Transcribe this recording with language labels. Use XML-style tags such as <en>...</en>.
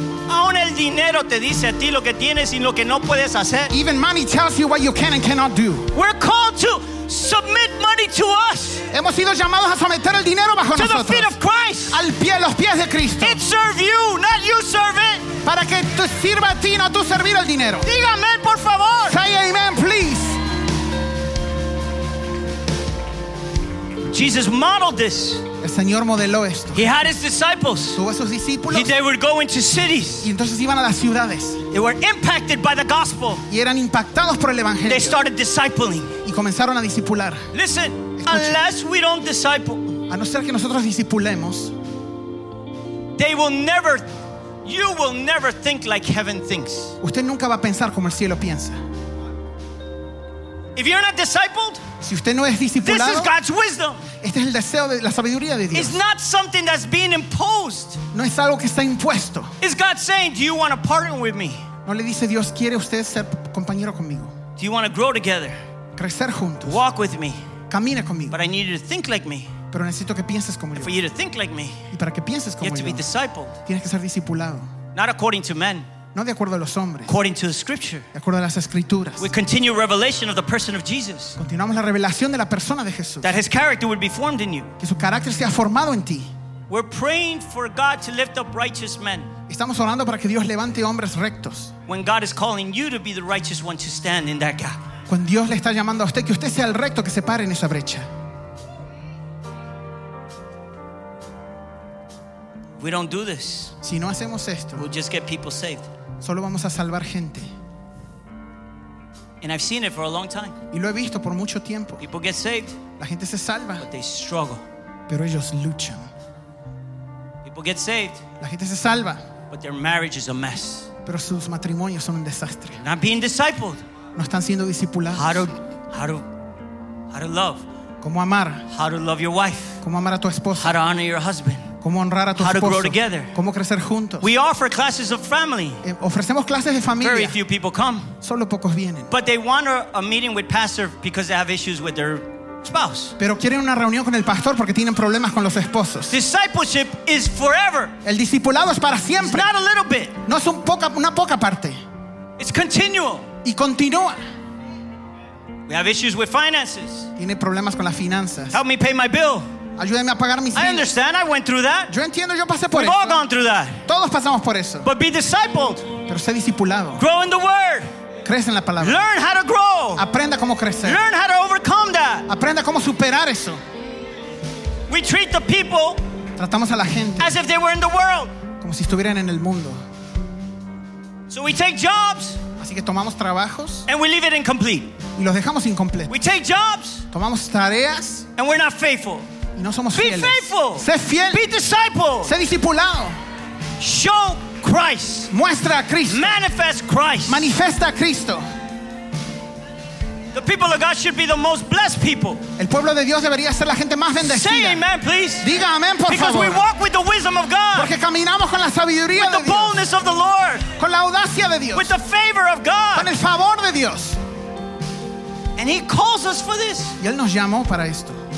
<es>Aún el dinero te dice a ti lo que tienes y lo que no puedes hacer.</es> <en>Even money tells you what you can and cannot do. We're called to submit money to us.</en> <es>Hemos sido llamados a someter el dinero bajo nosotros.</es> <en>To the feet of Christ.</en> <es>Al pie, los pies de Cristo.</es> <en>It serve you, not you serve it.</en> <es>Para que te sirva a ti, no tú servir el dinero. Dígame por favor.</es> <en>Say amen, please. Jesus modeled this.</en> <es>El Señor modeló esto.</es> <en>He had his disciples.</en> <es>Tuvo a sus discípulos.</es> <en>They were going to cities.</en> <es>Y entonces iban a las ciudades.</es> <en>They were impacted by the gospel.</en> <es>Y eran impactados por el evangelio.</es> <en>They started discipling.</en> <es>Y comenzaron a discipular.</es> <en>Listen,</en> <es>escuchen.</es> <en>Unless we don't disciple,</en> <es>a no ser que nosotros discipulemos,</es> <en>they will never, you will never think like heaven thinks.</en> <es>Usted nunca va a pensar como el cielo piensa.</es> <en>If you're not discipled,</en> <es>si usted no es discipulado,</es> <en>this is God's wisdom.</en> <es>Este es el deseo de la sabiduría de Dios.</es> <en>It's not something that's being imposed.</en> <es>No es algo que está impuesto.</es> <en>It's God saying, "Do you want to partner with me?"</en> <es>No le dice Dios, ¿quiere usted ser compañero conmigo?</es> <en>Do you want to grow together?</en> <es>Crecer juntos.</es> <en>Walk with me.</en> <es>camina conmigo.</es> <en>But I need you to think like me.</en> <es>Pero necesito que pienses como</es> <en>and</en> <es>yo.</es> <en>For you to think like me,</en> <es>y para que pienses como</es> <en>you have</en> <es>yo,</es> <en>to be discipled.</en> <es>Tienes que ser discipulado.</es> <en>Not according to men.</en> <es>No de acuerdo a los hombres.</es> <en>According to the scripture.</en> <es>De acuerdo a las escrituras.</es> <en>We continue revelation of the person of Jesus.</en> <es>Continuamos la revelación de la persona de Jesús.</es> <en>That his character would be formed in you.</en> <es>Que su carácter sea formado en ti.</es> <en>We're praying for God to lift up righteous men.</en> <es>Estamos orando para que Dios levante hombres rectos.</es> <en>When God is calling you to be the righteous one to stand in that gap.</en> <es>Cuando Dios le está llamando a usted, que usted sea el recto que se pare en esa brecha.</es> <en>We don't do this.</en> <es>Si no hacemos esto,</es> <en>we'll just get people saved.</en> <es>Solo vamos a salvar gente.</es> <en>And I've seen it for a long time.</en> <es>Y lo he visto por mucho tiempo.</es> <en>People get saved.</en> <es>La gente se salva.</es> <en>But they struggle.</en> <es>Pero ellos luchan.</es> <en>People get saved.</en> <es>La gente se salva.</es> <en>But their marriage is a mess.</en> <es>Pero sus matrimonios son un desastre.</es> <en>Not being discipled.</en> <es>No están siendo discipulados.</es> <en>How to love.</en> <es>¿Cómo amar?</es> <en>How to love your wife.</en> <es>¿Cómo amar a tu esposa?</es> <en>How to honor your husband.</en> <es>¿Cómo honrar a tu</es> <en>how</en> <es>esposo?</es> <en>To grow together.</en> <es>¿Cómo crecer juntos?</es> <en>We offer classes of family.</en> <es>Ofrecemos clases de familia.</es> <en>Very few people come.</en> <es>Solo pocos vienen.</es> <en>But they want a meeting with pastor because they have issues with their spouse.</en> <es>Pero quieren una reunión con el pastor porque tienen problemas con los esposos.</es> <en>Discipleship is forever.</en> <es>El discipulado es para siempre.</es> <en>It's not a little bit.</en> <es>No es una poca parte.</es> <en>It's continual.</en> <es>Y continúa.</es> <en>We have issues with finances.</en> <es>Tiene problemas con las finanzas.</es> <en>Help me pay my bill.</en> <es>Ayúdeme a pagar mis</es> <en>I understand. I went through that.</en> <es>Yo entiendo, yo pasé</es> <en>We've all</en> <es>eso.</es> <en>Gone through that.</en> <es>Todos pasamos por eso.</es> <en>But be discipled.</en> <es>Pero sé discipulado.</es> <en>Grow in the word.</en> <es>Crece en la palabra.</es> <en>Learn how to grow.</en> <es>Aprenda cómo crecer.</es> <en>Learn how to overcome that.</en> <es>Aprenda cómo superar eso.</es> <en>We treat the people</en> <es>tratamos a la gente</es> <en>as if they were in the world.</en> <es>Como si estuvieran en el mundo.</es> <en>So we take jobs.</en> <es>Así que tomamos trabajos.</es> <en>And we leave it incomplete.</en> <es>Y los dejamos incompletos.</es> <en>We take jobs.</en> <es>Tomamos tareas.</es> <en>And we're not faithful.</en> <es>Y no somos</es> <en>be</en> <es>fieles.</es> <en>Faithful.</en> <es>Sé fiel.</es> <en>Be disciple.</en> <es>Sé discipulado.</es> <en>Show Christ.</en> <es>Muestra a Cristo.</es> <en>Manifest Christ.</en> <es>Manifiesta a Cristo.</es> <en>The people of God should be the most blessed people.</en> <es>El pueblo de Dios debería ser la gente más bendecida.</es> <en>Say amen, please.</en> <es>Diga amén, por</es> <en>Because</en> <es>favor.</es> <en>Because we walk with the wisdom of God.</en> <es>Porque caminamos con la sabiduría</es> <en>with</en> <es>de Dios.</es> <en>With the boldness of the Lord.</en> <es>Con la audacia de Dios.</es> <en>With the favor of God.</en> <es>Con el favor de Dios.</es> <en>And He calls us for this.</en> <es>Y Él nos llamó para esto.</es>